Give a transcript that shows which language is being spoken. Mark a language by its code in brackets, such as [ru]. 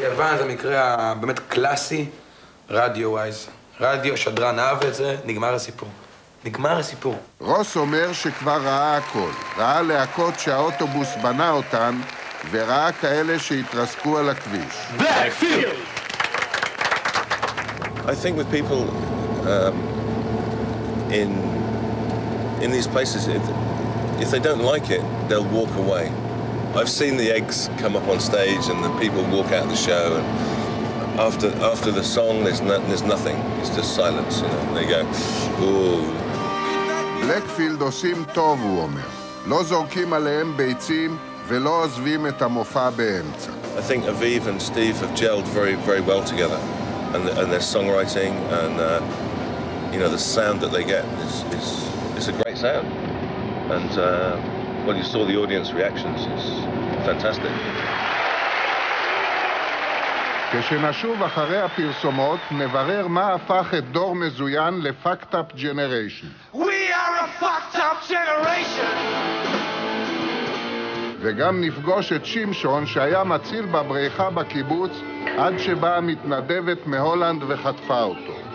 [he] יוון זה מקרה באמת קלאסי, רדיו-וייז. רדיו, שדרן אהב את זה, נגמר הסיפור. נגמר הסיפור. רוס אומר שכבר ראה הכל. ראה להקות שהאוטובוס בנה אותן, וראה כאלה שהתרסקו על הכביש. [en] I think with people in these places, if they don't like it, they'll walk away. I've seen the eggs come up on stage and the people walk out of the show, and after the song, there's nothing. It's just silence, you know, and they go, ooh. [he] בלקפילד עושים טוב, הוא אומר. לא זורקים עליהם ביצים ולא עוזבים את המופע באמצע. [en] I think Aviv and Steve have gelled very, very well together, and their songwriting, and, you know, the sound that they get is it's a great sound, and when you saw the audience reactions, it's fantastic. [he] כשנשוב אחרי הפרסומות, נברר מה הפך את דור מזוין ל- [en] Fucked Up Generation. We are a fucked up generation! [he] וגם נפגוש את שמשון, שהיה מציל בבריכה בקיבוץ, עד שבאה מתנדבת מהולנד וחטפה אותו.